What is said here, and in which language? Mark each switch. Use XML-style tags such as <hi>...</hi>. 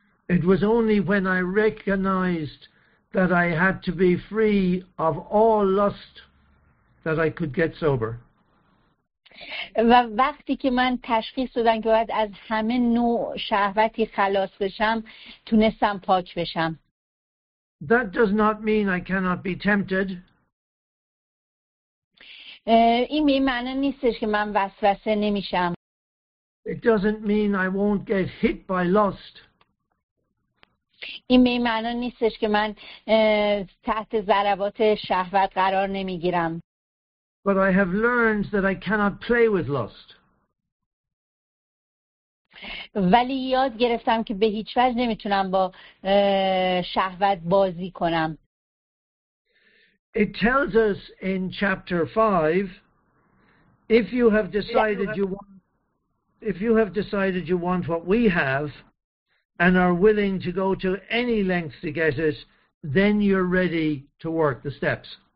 <en>It was only when I recognized that I had to be free of all lust that I could get sober.</en> <fa>و وقتی که من تشخیص دادم که باید از همه نوع شهوتی خلاص بشم تونستم پاک بشم.</fa> <en>That does not mean I cannot be tempted.</en> <fa>این به این معنی نیستش که من وسوسه نمیشم.</fa> <en>It doesn't mean I won't get hit by lust.</en> <fa>این به این معنی نیستش که من تحت ضربات شهوت قرار نمیگیرم.</fa> <en>But I have learned that I cannot play with lust.</en> <fa>ولی یاد گرفتم که به هیچ وجه نمیتونم با شهوت بازی کنم.</fa> <en>It tells us in chapter 5, if you have decided you want what we have and are willing to go to any length to get it, then you're ready to work the steps.</en>